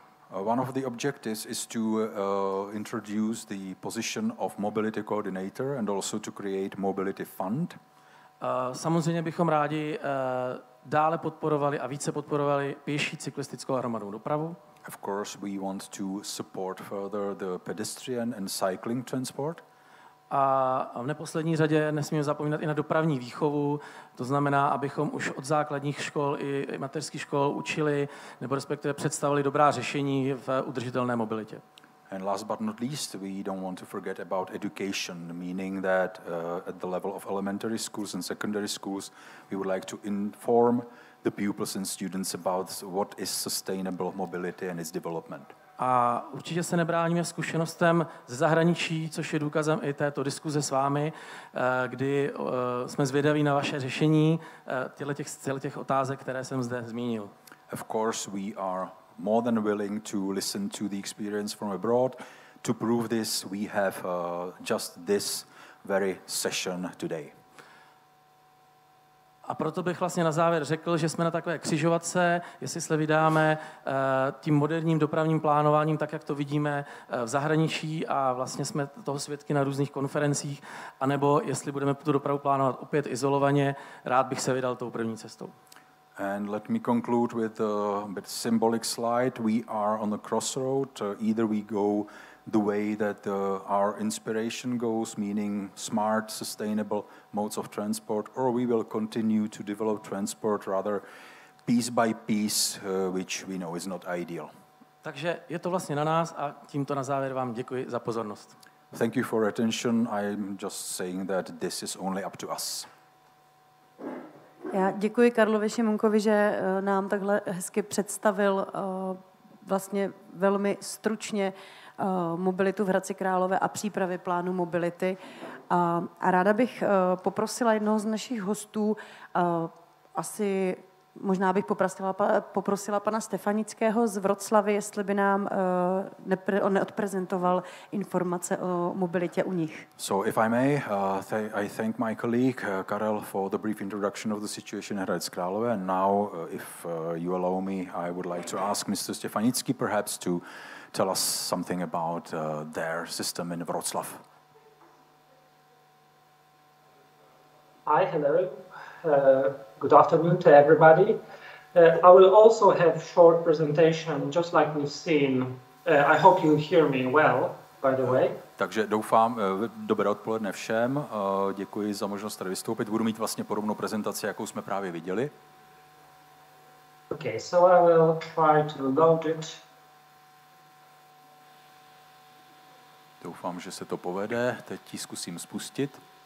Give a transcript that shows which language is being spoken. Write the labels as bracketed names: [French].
[English] One of the objectives is to introduce the position of mobility coordinator and also to create mobility fund. [Czech] Samozřejmě bychom rádi dále podporovali a více podporovali pěší cyklistickou a hromadnou dopravu. [English] Of course we want to support further the pedestrian and cycling transport. [Czech] A v neposlední řadě nesmíme zapomínat i na dopravní výchovu, to znamená, abychom už od základních škol i mateřských škol učili nebo respektive představili dobrá řešení v udržitelné mobilitě. [English] And last but not least, we don't want to forget about education, meaning that at the level of elementary schools and secondary schools, we would like to inform the pupils and students about what is sustainable mobility and its development. [Czech] A určitě se nebráníme zkušenostem ze zahraničí, což je důkazem i této diskuze s vámi, kdy jsme zvědaví na vaše řešení těch otázek, které jsem zde zmínil. [English] Of course, we are more than willing to listen to the experience from abroad. To prove this, we have just this very session today. [Czech] A proto bych vlastně na závěr řekl, že jsme na takové křižovatce, jestli se vydáme tím moderním dopravním plánováním, tak jak to vidíme v zahraničí a vlastně jsme toho svědky na různých konferencích, anebo jestli budeme tu dopravu plánovat opět izolovaně, rád bych se vydal tou první cestou. [English] And let me conclude with a bit symbolic slide. We are on the crossroad. Either we go the way that our inspiration goes, meaning smart, sustainable modes of transport, or we will continue to develop transport rather piece by piece, which we know is not ideal. [Czech] Takže je to vlastně na nás a tímto na závěr vám děkuji za pozornost. [English] Thank you for attention. I'm just saying that this is only up to us. [Czech] Já děkuji Karlovi Šimunkovi, že nám takhle hezky představil vlastně velmi stručně mobilitu v Hradci Králové a přípravy plánu mobility. A ráda bych poprosila jednoho z našich hostů, asi možná bych poprosila pana Stefanického z Vroclavy, jestli by nám neodprezentoval informace o mobilitě u nich. [English] So if I may, I thank my colleague Karel for the brief introduction of the situation in Hradec Králové. And now, if you allow me, I would like to ask Mr. Stefanický perhaps to tell us something about their system in Wroclaw. Hi, hello. Good afternoon to everybody. I will also have short presentation, just like we've seen. I hope you hear me well, by the way. [Czech] Takže doufám, dobré odpoledne všem. Děkuji za možnost tady vystoupit. Budu mít vlastně podobnou prezentaci, jakou jsme právě viděli. [English] Okay, so I will try to load it. [Czech] Doufám, že se to povede. Teď ji zkusím spustit.